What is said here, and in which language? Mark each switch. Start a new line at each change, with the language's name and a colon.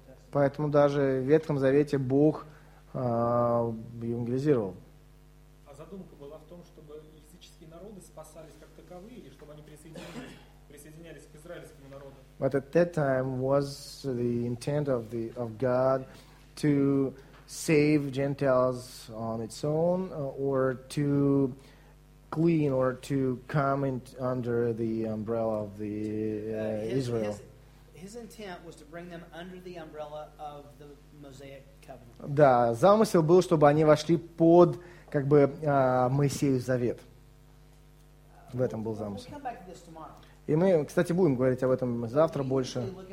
Russian: Поэтому даже в Ветхом Завете Бог евангелизировал. А задумка была в том, чтобы языческие народы спасались как таковые, или чтобы они присоединялись к израильскому народу?
English: But at that time was the intent of the of God to save Gentiles on its own, or to clean, or to come in under the umbrella of the Israel? His intent was to bring them under the umbrella of the Mosaic.
Russian: Да, замысел был, чтобы они вошли под, как бы, Моисеев Завет. В этом был замысел. И мы, кстати, будем говорить об этом завтра больше.